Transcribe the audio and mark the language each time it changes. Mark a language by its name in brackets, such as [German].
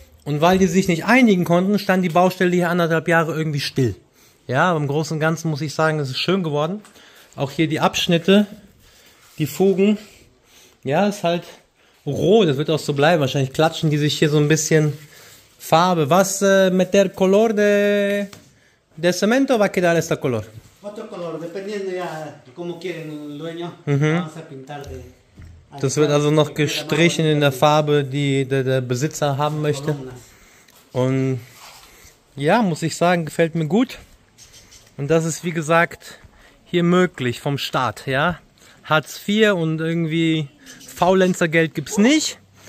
[German] Und weil die sich nicht einigen konnten, stand die Baustelle hier 1,5 Jahre irgendwie still. Ja, aber im Großen und Ganzen muss ich sagen, es ist schön geworden. Auch hier die Abschnitte, die Fugen. Ja, ist halt roh, das wird auch so bleiben. Wahrscheinlich klatschen die sich hier so ein bisschen Farbe. Was mit der [Spanish] Color de, de Cemento va a quedar esta color? Otro color, dependiendo ya como quieren el dueño. Vamos a pintar de... [German] Das wird also noch gestrichen in der Farbe, die der Besitzer haben möchte. Und ja, muss ich sagen, gefällt mir gut. Und das ist, wie gesagt, hier möglich vom Staat. Ja? Hartz IV und irgendwie Faulenzergeld gibt es nicht.